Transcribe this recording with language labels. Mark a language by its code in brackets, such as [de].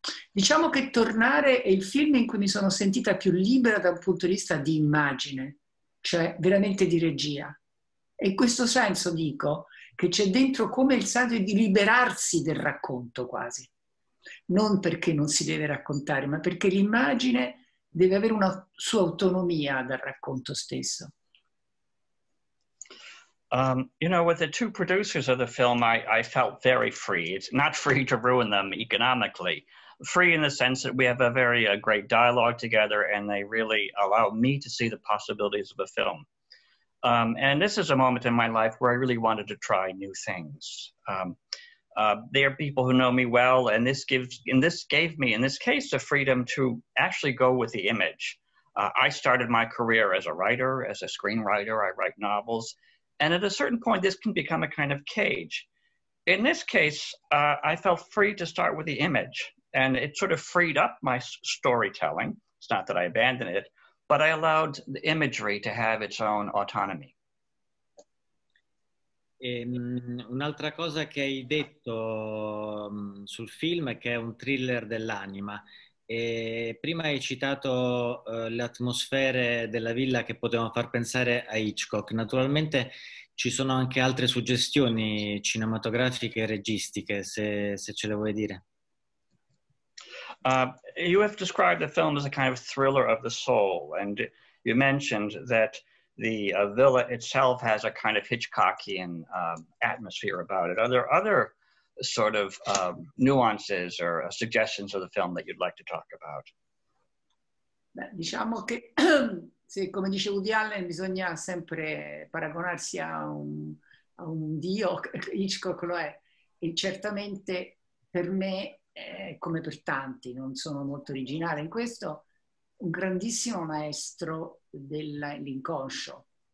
[it] Diciamo che Tornare è il film in cui mi sono sentita più libera dal punto di vista di immagine, cioè veramente di regia. E in questo senso dico che c'è dentro come il senso di liberarsi del racconto quasi. Non perché non si deve raccontare, ma perché l'immagine deve avere una sua autonomia dal racconto stesso. [en] You know, with the two producers of the film, I felt very free. It's not free to ruin them economically. Free in the sense that we have a very great dialogue together, and they really allow me to see the possibilities of a film. And this is a moment in my life where I really wanted to try new things. They are people who know me well, and this gave me, in this case, the freedom to actually go with the image. I started my career as a writer, as a screenwriter. I write novels. And at a certain point, this can become a kind of cage. In this case, I felt free to start with the image, and it sort of freed up my storytelling. It's not that I abandoned it, but I allowed the imagery to have its own autonomy. [it] Un'altra cosa che hai detto sul film è che è un thriller dell'anima. E prima hai citato le atmosfere della villa che potevano far pensare a Hitchcock. Naturalmente ci sono anche altre suggestioni cinematografiche e registiche, se ce le vuoi dire. [en] You have described the film as a kind of thriller of the soul, and you mentioned that the villa itself has a kind of Hitchcockian atmosphere about it. Are there other sort of nuances or suggestions of the film that you'd like to talk about? [it] Beh, diciamo che, se, come dice Woody Allen, bisogna sempre paragonarsi a un dio, Hitchcock lo è, e certamente per me come per tanti, non sono molto originale in questo, un grandissimo maestro dell'inconscio.